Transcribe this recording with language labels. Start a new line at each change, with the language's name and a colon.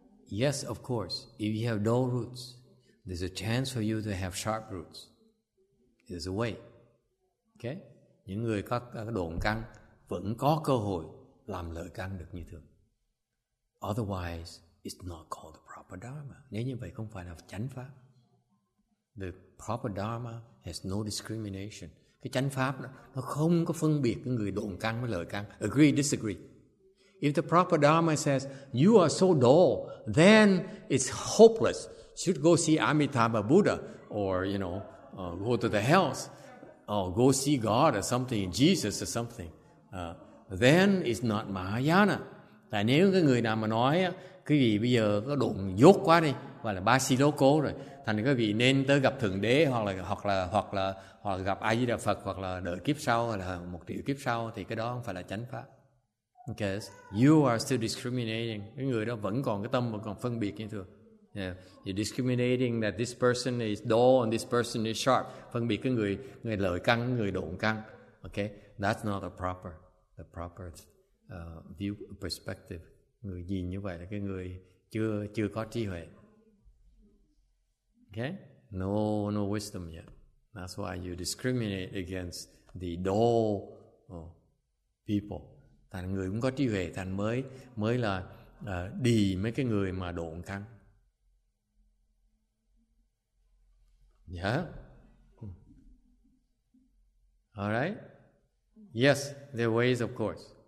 English: Yes, of course, if you have dull roots, there's a chance for you to have sharp roots. There's a way. Okay?
Vietnamese: Những người có độn căn vẫn có cơ hội làm lợi căn được như thường.
English: Otherwise, it's not called the proper dharma.
Vietnamese: Nếu như vậy không phải là chánh pháp.
English: The proper dharma has no discrimination.
Vietnamese: Cái chánh pháp đó, nó không có phân biệt cái người độn căn với lợi căn.
English: Agree, disagree. If the proper dharma says, you are so dull, then it's hopeless. Should go see Amitabha Buddha or, you know, go to the hells or go see God or something, Jesus or something. Then it's not Mahayana.
Vietnamese: Tại nếu cái người nào mà nói quý vị bây giờ có độn dốt quá đi hoặc là Basiloko rồi, thành quý vị nên tới gặp Thượng Đế hoặc là gặp A Di Đà Phật hoặc là đợi kiếp sau hoặc là 1 triệu kiếp sau thì cái đó không phải là chánh pháp.
English: Okay, you are still discriminating.
Vietnamese: Cái người đó vẫn còn cái tâm vẫn còn phân biệt như thường.
English: Yeah. You're discriminating that this person is dull and this person is sharp.
Vietnamese: Phân biệt cái người lợi căn, người độn căn.
English: Okay, that's not the proper view perspective.
Vietnamese: Người nhìn như vậy là cái người chưa có trí huệ.
English: Okay, no wisdom yet. That's why you discriminate against the dull people.
Vietnamese: Thành người cũng có trí huệ, thành mới là đi mấy cái người mà độn căn.
English: Yeah. All right. Yes, there are ways, of course.